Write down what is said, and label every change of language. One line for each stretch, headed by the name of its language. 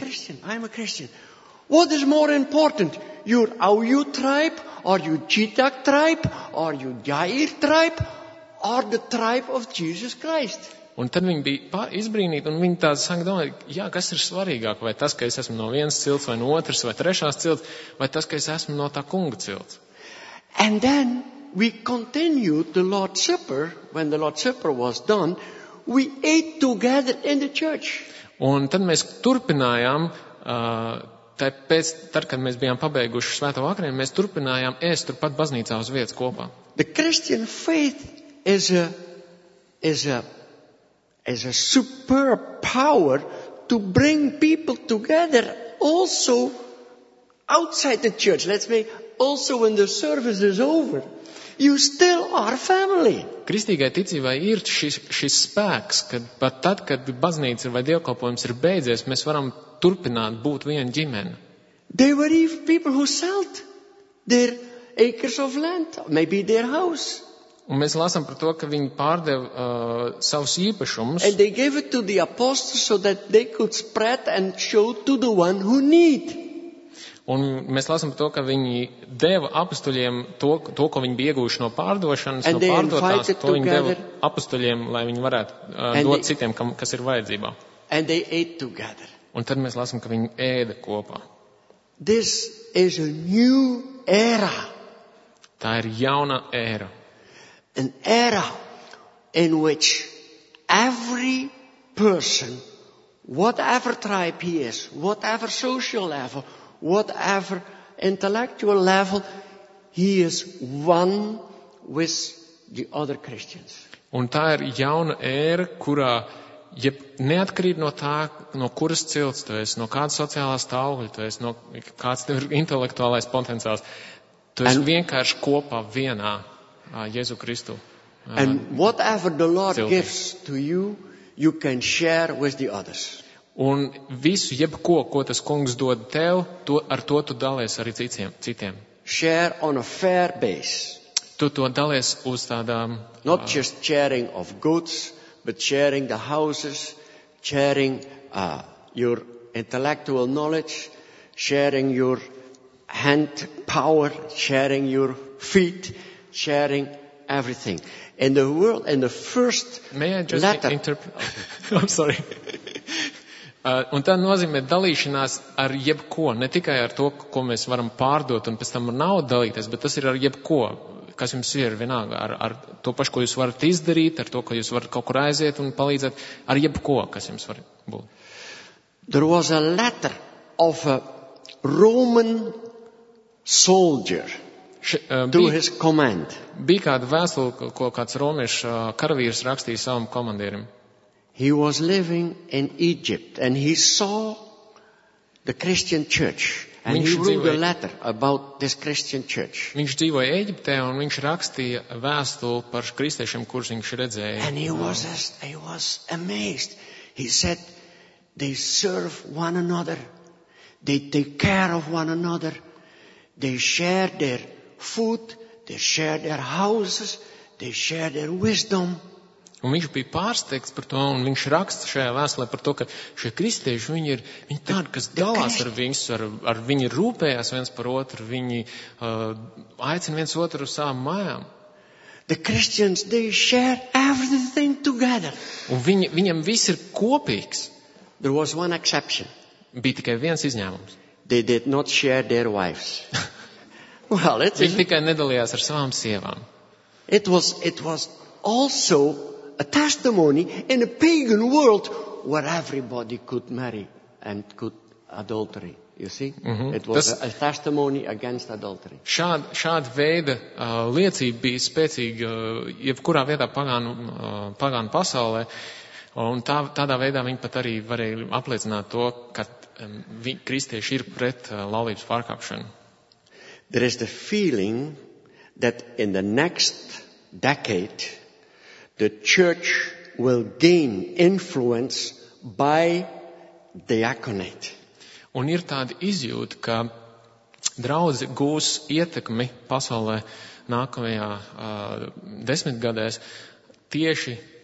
English: You are a Christian, I am a Christian. What is more important? Your Aujū tribe, or your Chitak tribe, or your Jair tribe, or the tribe of Jesus Christ?
Latvian: Un tad viņi bija izbrīnīgi, un viņi tāds sāka domāt, jā, kas ir svarīgāk, vai tas, ka es esmu no vienas cilts, vai no otras, vai trešās cilts, vai tas, ka es esmu no tā kunga cilts.
English: And then we continued the Lord's Supper, when the Lord's Supper was done, we ate together in the church.
Latvian: Un tad mēs turpinājām, kad mēs bijām pabeiguši svēto vakarienu, mēs turpinājām ēst turpat baznīcā uz vietas kopā.
English: The Christian faith is a superpower to bring people together also outside the church, let's say, also when the service is over, you still are family.
Latvian: Kristīgai ticībai ir šis spēks, kad pat tad, kad baznīca vai dievkalpojums ir beidzies, mēs varam turpināt būt viena ģimene.
English: There were even people who sold their acres of land, maybe their house.
Latvian: Un mēs lasām par to, ka viņi pārdeva savus īpašumus.
English: And they gave it to the apostles so that they could spread and show to the one who need.
Latvian: Un mēs lasām par to, ka viņi deva apustuļiem to, ko viņi bija ieguvuši no pārdošanas,
English: and
Latvian: no pārdotās, to viņi deva apustuļiem, lai viņi varētu dot
English: they,
Latvian: citiem, kas ir vajadzībā.
English: And they ate together.
Latvian: Un tad mēs lasām, ka viņi ēda kopā.
English: This is a new era.
Latvian: Tā ir jauna era.
English: An era in which every person, whatever tribe he is, whatever social level, whatever intellectual level, he is one with the other Christians.
Latvian: Un tā ir jauna era, kurā, ja neatkarīt no tā, no kuras cilts tu esi, no kādas sociālās stāvļa tu esi, no kāds tev ir intelektuālais potenciāls, tu esi vienkārši kopā vienā Jēzu Kristu.
English: And whatever the Lord
Latvian: cilti.
English: Gives to you, you can share with the others.
Latvian: Un visu, jebko, ko tas kungs dod tev, to, ar to tu dalies arī citiem.
English: Share on a fair base.
Latvian: Tu to dalies uz tādām...
English: Not just sharing of goods, but sharing the houses, sharing your intellectual knowledge, sharing your hand power, sharing your feet, sharing everything. In the world, in the first May I just letter... I'm sorry.
Latvian: Un tā nozīmē dalīšanās ar jebko, ne tikai ar to, ko mēs varam pārdot un pēc tam nav dalīties, bet tas ir ar jebko, kas jums ir vienāk, ar to pašu, ko jūs varat izdarīt, ar to, ko jūs varat kaut kur aiziet un palīdzēt, ar jebko, kas jums var būt.
English: There was a letter of a Roman soldier to his command.
Latvian: Bija kāda vēstule, ko kāds romiešs karavīrs rakstīja savam komandierim.
English: He was living in Egypt and he saw the Christian church and
Latvian: viņš
English: he wrote
Latvian: dzīvoja,
English: a letter about this Christian church.
Latvian: Viņš dzīvoja Ēģiptē un viņš rakstīja vēstuli par kristiešiem, kurus viņš redzēja.
English: And he was amazed. He said, they serve one another, they take care of one another, they share their food, they share their houses, they share their wisdom.
Latvian: Un viņš bija pārsteigts par to, un viņš raksta šajā vēstulē par to, ka šie kristieši, viņi tādi, kas dalās ar viņus, ar viņi rūpējās viens par otru, viņi aicina viens otru uz savām mājām.
English: The Christians, they share everything together.
Latvian: Un viņiem viss ir kopīgs.
English: There was one exception.
Latvian: Bija tikai viens izņēmums.
English: They did not share their wives. Well, it's...
Latvian: Viņi tikai nedalījās ar savām sievām.
English: It was also... A testimony in a pagan world where everybody could marry and could adultery, you see? Mm-hmm. It was a testimony against adultery.
Latvian: Šāda veida liecība bija spēcīga jebkurā vietā pagānu pasaulē, un tādā veidā viņi pat arī varēja apliecināt to, ka kristieši ir pret laulības pārkāpšanu.
English: There is the feeling that in the next decade, the church will gain influence by diaconate.
Latvian: Un ir tāda izjūta, ka draudze gūs ietekmi pasaulē nākamajā desmitgadēs tieši